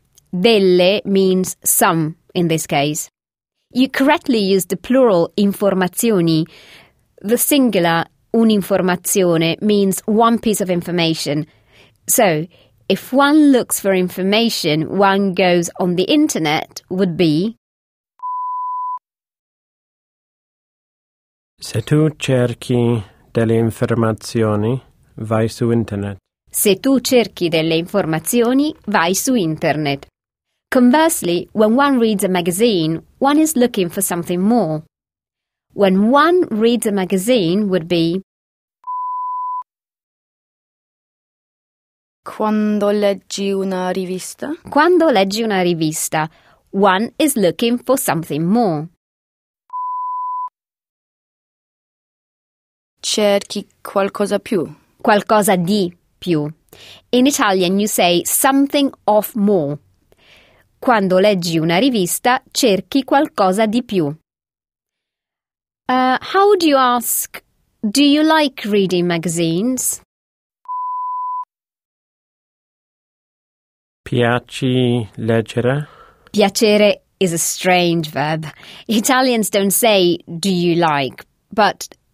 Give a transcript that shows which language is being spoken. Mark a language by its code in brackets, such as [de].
[en] Delle means some in this case. You correctly use the plural informazioni. The singular un'informazione means one piece of information. So, if one looks for information, one goes on the internet would be... [it] Se tu cerchi delle informazioni, vai su internet. Se tu cerchi delle informazioni, vai su internet. [en] Conversely, when one reads a magazine, one is looking for something more. When one reads a magazine would be... [it] Quando leggi una rivista? Quando leggi una rivista, [en] one is looking for something more. [it] Cerchi qualcosa più. Qualcosa di più. [en] In Italian you say something of more. [it] Quando leggi una rivista, cerchi qualcosa di più. [en] How do you ask, do you like reading magazines? [it] Piaci leggere? [en] Piacere is a strange verb. Italians don't say, do you like, but...